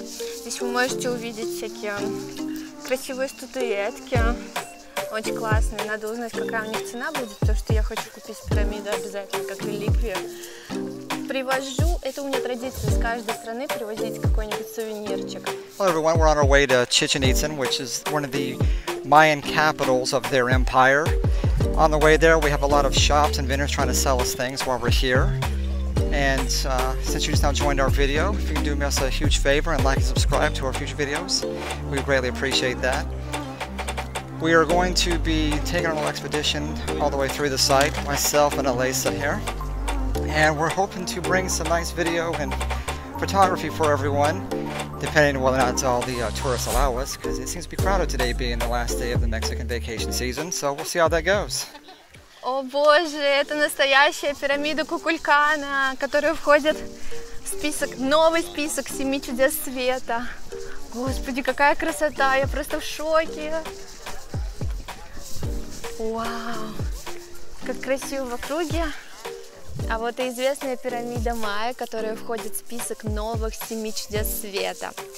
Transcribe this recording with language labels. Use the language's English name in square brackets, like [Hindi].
[Russian] Здесь вы можете увидеть всякие красивые статуэтки, очень классные. Надо узнать, какая у них цена будет, потому что я хочу купить пирамиду обязательно, как реликвию. Привожу, это у меня традиция с каждой страны привозить какой-нибудь сувенирчик. [English] Hello everyone, we're on our way to Chichen Itzan, which is one of the Mayan capitals of their empire. On the way there, we have a lot of shops and vendors trying to sell us things while we're here. And since you just now joined our video, if you can do us a huge favor and like and subscribe to our future videos, we greatly appreciate that. We are going to be taking our little expedition all the way through the site, myself and Alisa here. And we're hoping to bring some nice video and photography for everyone, depending on whether or not all the tourists allow us, because it seems to be crowded today, being the last day of the Mexican vacation season. So we'll see how that goes. [Russian] О боже, это настоящая пирамида Кукулькана, которая входит в список, новый список семи чудес света. Господи, какая красота! Я просто в шоке. Вау, как красиво в округе. А вот и известная пирамида Майя, которая входит в список новых семи чудес света.